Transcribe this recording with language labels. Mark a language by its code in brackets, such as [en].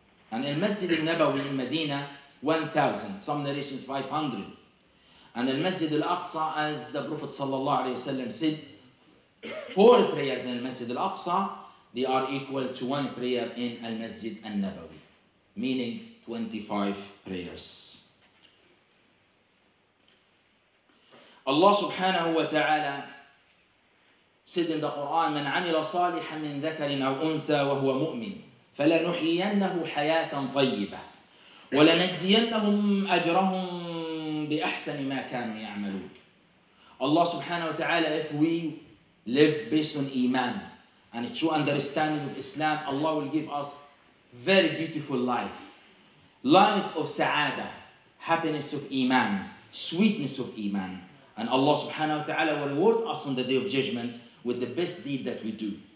[en] And Al-Masjid Al-Nabawi in Medina, 1,000, some narrations 500. And Al-Masjid Al-Aqsa, as the Prophet Sallallahu Alaihi Wasallam said, four prayers in Al-Masjid Al-Aqsa, they are equal to one prayer in Al-Masjid Al-Nabawi, meaning 25 prayers. [ar] Allah subhanahu wa ta'ala [en] said in the Quran, [ar] من عمل صالحا من ذكر أو أنثى وهو مؤمن فلنحيينه حياة طيبة ولنجزينهم أجرهم بأحسن ما كانوا يعملون. [en] Allah subhanahu wa ta'ala, if we live based on Iman and a true understanding of Islam, Allah will give us very beautiful life. Life of Sa'ada, happiness of Iman, sweetness of Iman. And Allah subhanahu wa ta'ala will reward us on the Day of Judgment with the best deed that we do.